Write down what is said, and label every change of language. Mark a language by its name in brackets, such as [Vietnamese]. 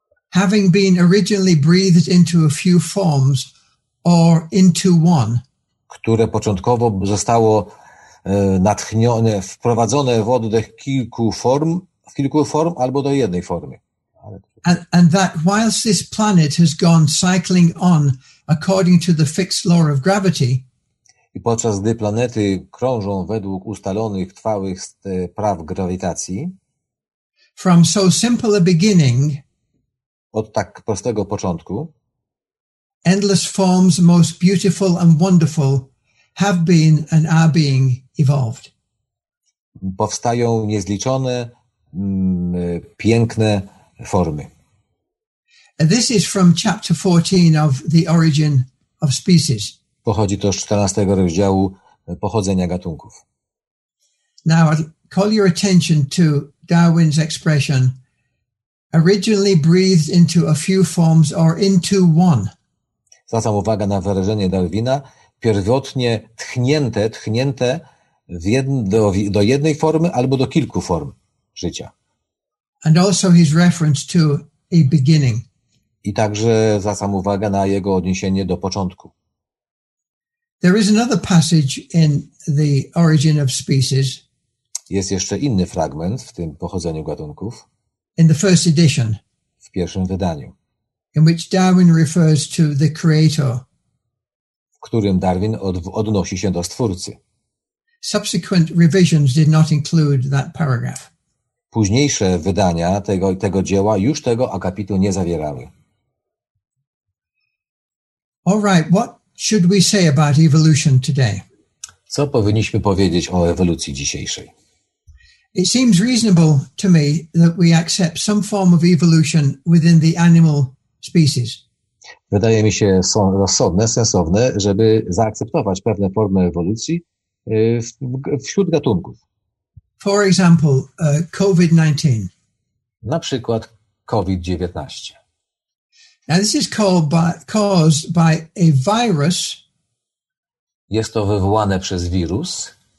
[English] Having been originally breathed into a few forms or into one. [Polish] Które początkowo zostało natchnione, wprowadzone w oddech kilku form albo do jednej formy. [English] And that whilst this planet has gone cycling on according to the fixed law of gravity. [Polish] I podczas gdy planety krążą według ustalonych, trwałych praw grawitacji, [English] from so simple a beginning, [Polish] od tak prostego początku, [English] endless forms most beautiful and wonderful have been and are being evolved. [Polish] Powstają niezliczone, piękne formy. [English] And this is from chapter 14 of The Origin of Species. [Polish] Pochodzi to z 14 rozdziału pochodzenia gatunków. [English] Now I'll call your attention to Darwin's expression, originally breathed into a few forms or into one. [Polish] Zwracam uwagę na wyrażenie Darwina, pierwotnie tchnięte w do jednej formy albo do kilku form życia. [English] And also his reference to a beginning. [Polish] I także zwracam uwagę na jego odniesienie do początku. [English] There is another passage in the Origin of Species. [Polish] Jest jeszcze inny fragment w tym pochodzeniu gatunków. [English] In the first edition. [Polish] W pierwszym wydaniu. [English] In which Darwin refers to the creator. [Polish] W którym Darwin odnosi się do stwórcy. [English] Subsequent revisions did not include that paragraph. [Polish] Późniejsze wydania tego dzieła już tego akapitu nie zawierały. [English] All right, what should we say about evolution today? [Polish] Co powinniśmy powiedzieć o ewolucji dzisiejszej? [English] It seems reasonable to me that we accept some form of evolution within the animal species. [Polish] Wydaje mi się rozsądne, sensowne, żeby zaakceptować pewne formy ewolucji wśród gatunków. [English] For example, COVID-19. [Polish] Na przykład COVID-19. [English] Now this is caused by a virus. [Polish] Jest to wywołane przez wirus,